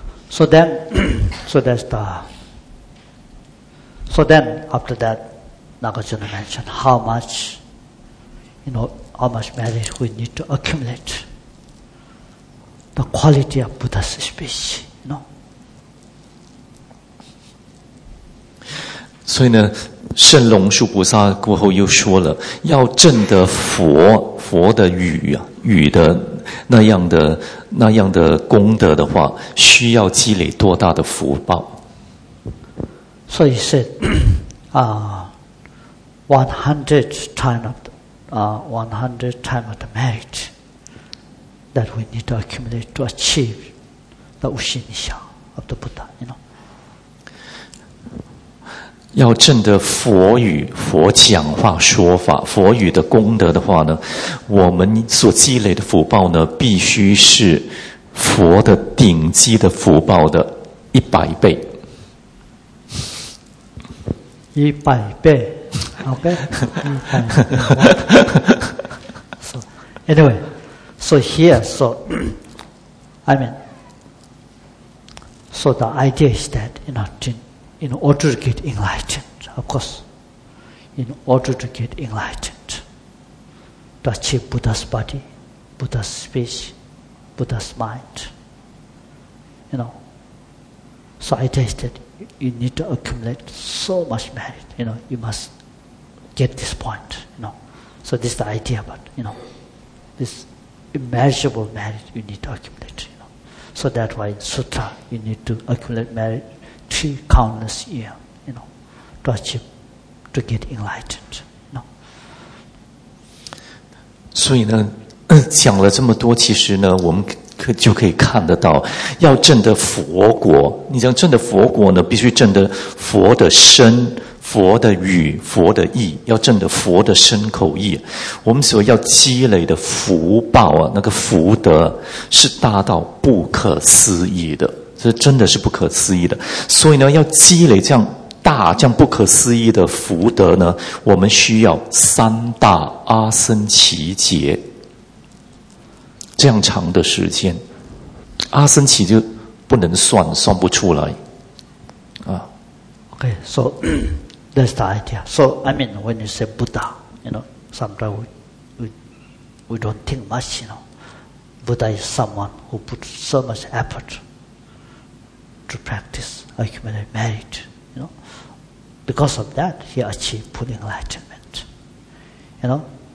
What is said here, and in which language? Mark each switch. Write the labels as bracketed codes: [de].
[en] So then, so then after that, Nagarjuna mentioned how much merit we need to accumulate the quality of Buddha's speech, you know. [zh] 所以呢，圣龙树菩萨过后又说了，要证得佛的语啊，语的那样的功德的话，需要积累多大的福报？所以是 [en] 100 times of the merit that we need to accumulate to achieve the Ushinisha of the Buddha, you know. [zh] 要证得佛语、佛讲话说法、佛语的功德的话呢，我们所积累的福报呢，必须是佛的顶级的福报的一百倍。一百倍 ，OK， 一百倍。 [en] So anyway, so here, so I mean, so the idea is that in order to get enlightened, of course, in order to get enlightened, to achieve Buddha's body, Buddha's speech, Buddha's mind, you know. So I tell you that you need to accumulate so much merit, you know, you must get this point, you know. So this is the idea about, you know, this immeasurable merit you need to accumulate, you know. So that's why in sutra, you need to accumulate merit three countless years, you know, to achieve, to get enlightened, you know. [zh] 所以呢，讲了这么多，其实呢，我们就可以看得到，要证得佛果，你想证得佛果呢，必须证得佛的身、佛的语、佛的意，要证得佛的身口意。我们所要积累的福报啊，那个福德是大到不可思议的。这真的是不可思议的，所以呢，要积累这样大、这样不可思议的福德呢，我们需要三大阿僧祇劫这样长的时间。阿僧祇就不能算，算不出来啊。 [en] Okay, so that's the idea. So I mean, when you say Buddha, you know, sometimes we don't think much. You know, Buddha is someone who put so much effort. To practice, accumulate merit, you know. Because of that, he achieved full enlightenment. You know.